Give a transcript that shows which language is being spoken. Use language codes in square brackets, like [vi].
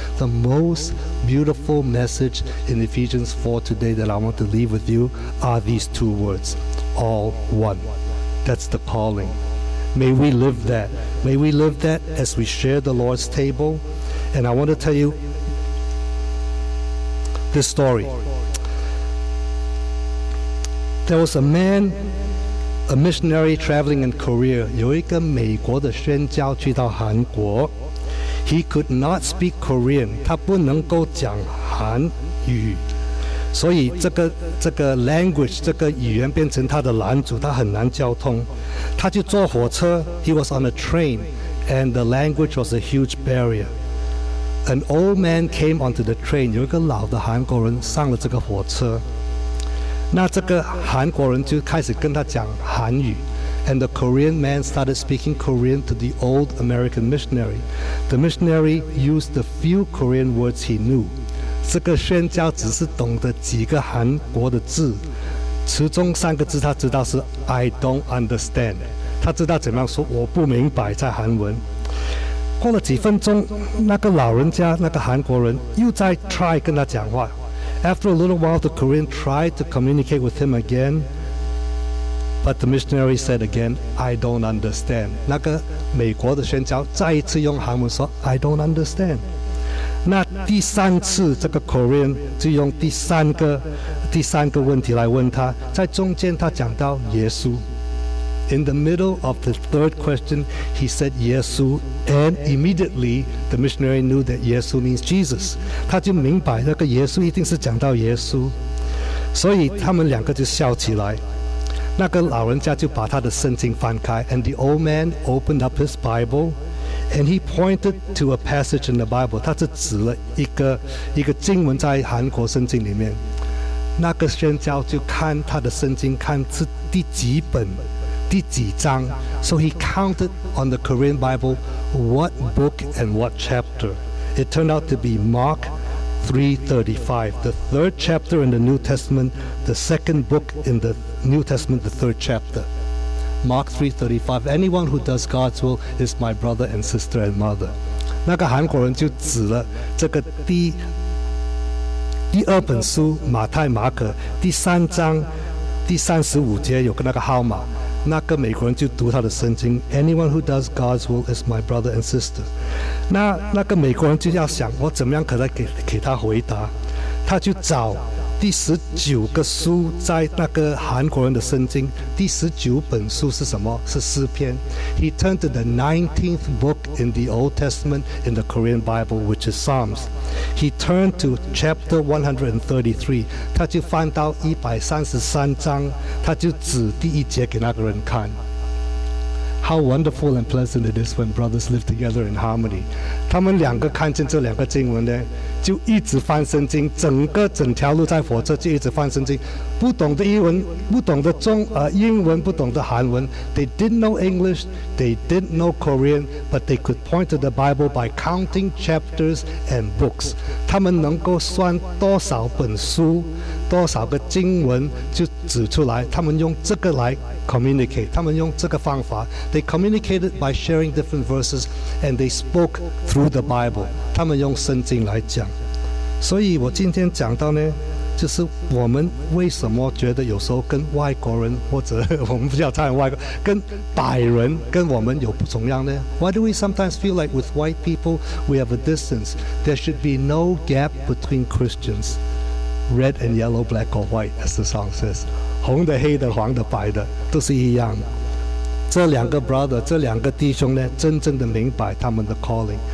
[en] The most beautiful message in Ephesians 4 today that I want to leave with you are these two words, all one. That's the calling. May we live that. May we live that as we share the Lord's table. And I want to tell you this story. There was a man, a missionary traveling in Korea. [zh] 有一个美国的宣教去到韩国。 [en] He could not speak Korean. [zh] 他不能够讲韩语。所以这个 language, 这个语言变成他的拦阻，他很难交通。他就坐火车。 [en] He was on a train, and the language was a huge barrier. An old man came onto the train. [zh] 有一个老的韩国人上了这个火车。那这个韩国人就开始跟他讲韩语。 [en] And the Korean man started speaking Korean to the old American missionary. The missionary used the few Korean words he knew. [zh] 这个宣教只是懂得几个韩国的字，其中三个字他知道是 [en] I don't understand. [zh] 他他知道怎样说，我不明白在韩文。过了几分钟，那个老人家，那个韩国人又在 try 跟他讲话。 [en] After a little while, the Korean tried to communicate with him again, but the missionary said again, "I don't understand." [zh] 那个美国的宣教再一次用韩文说 [en] "I don't understand." [zh] 那第三次，这个 Korean 就用第三个问题来问他。在中间，他讲到耶稣。 [en] In the middle of the third question, he said Yesu, and immediately the missionary knew that Yesu means Jesus. [zh] 他就明白那个耶稣一定是讲到耶稣，所以他们两个就笑起来。那个老人家就把他的圣经翻开 [en] ，and the old man opened up his Bible, and he pointed to a passage in the Bible. [zh] 他就指了一个经文在韩国圣经里面。那个宣教就看他的圣经，看是第几本。第几章 [en] ？So he counted on the Korean Bible, what book and what chapter? It turned out to be Mark 3:35, the third chapter in the New Testament, the second book in the New Testament, the third chapter. Mark 3:35. Anyone who does God's will is my brother and sister and mother. [zh] 那个韩国人就指了这个第二本书马太马可第三章第三十五节有个那个号码。那个美国人就读他的圣经 [en] Anyone who does God's will is my brother and sister [zh] 那个美国人就要想我怎么样可能 给他回答他就找第十九个书在那个韩国人的圣经第十九本书是什么是诗篇 [en] He turned to the 19th book in the Old Testament in the Korean Bible which is Psalms He turned to chapter 133 [zh] 他就翻到133章他就指第一节给那个人看 [en] How wonderful and pleasant it is when brothers live together in harmony [zh] 他们两个看见这两个经文呢就一直翻圣经，整条路在火车就一直翻圣经，不懂的英文，不懂的英文，不懂的韩文。 [en] They didn't know English, they didn't know Korean, but they could point to the Bible by counting chapters and books. [zh] 他们能够算多少本书，多少个经文就指出来。他们用这个来 communicate， 他们用这个方法。 [en] They communicated by sharing different verses, and they spoke through the Bible. [zh] 他们用圣经来讲。所以我今天讲到呢就是我们为什么觉得有时候跟外国人或者我们不叫他外国跟白人跟我们有不同样呢 [en] Why do we sometimes feel like with white people we have a distance There should be no gap between Christians Red and yellow, black or white as the song says [zh] 红的黑的黄的白的都是一样这两个 brother 这两个弟兄呢真正的明白他们的 calling